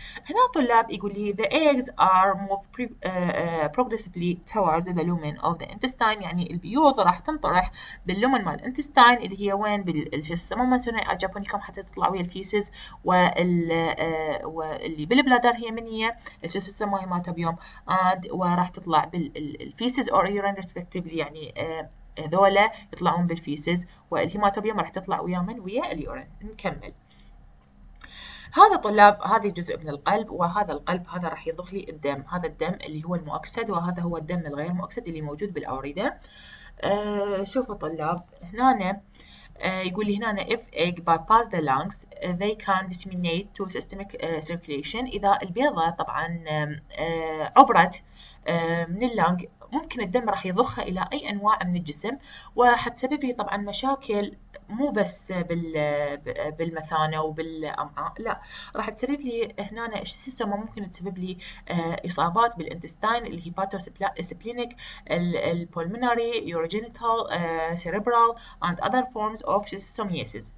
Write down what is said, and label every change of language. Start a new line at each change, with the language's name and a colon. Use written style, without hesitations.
Arabic: هنا طلاب يقول لي
English: the eggs are move progressively toward the lumen of the intestine,
Arabic: يعني البيوض راح تنطرح باللومن مال الانتستاين اللي هي وين؟ بالشيستوسوما مانسوناي جابونيكوم، حتى تطلع ويا الفيسز وال اللي بالبلادر هي من هي الشيستوسوما هيماتوبيوم اند، وراح تطلع بالفيسز اور يورين ريسبكتيفلي، يعني هذولا يطلعون بالفيسز والهيماتوبيوم راح تطلع ويا من؟ ويا اليورين. نكمل. هذا طلاب هذه جزء من القلب، وهذا القلب هذا راح يضخ لي الدم، هذا الدم اللي هو المؤكسد، وهذا هو الدم الغير مؤكسد اللي موجود بالاوردة. شوفوا طلاب هنا يقول لي هنا
English: if egg bypass the lungs they can disseminate to systemic circulation.
Arabic: إذا البيضة طبعا عبرت من اللانج ممكن الدم راح يضخها إلى أي أنواع من الجسم، وحتسبب لي طبعا مشاكل مو بس بالمثانة وبالأمعاء، لا راح تسبب لي هنا الشيستوسوما ممكن تسبب لي إصابات بالإنتستاين، الهيباتوسبلينيك، البولميناري، يوروجينيتال، سيريبرال
English: and other forms of schistosomiasis.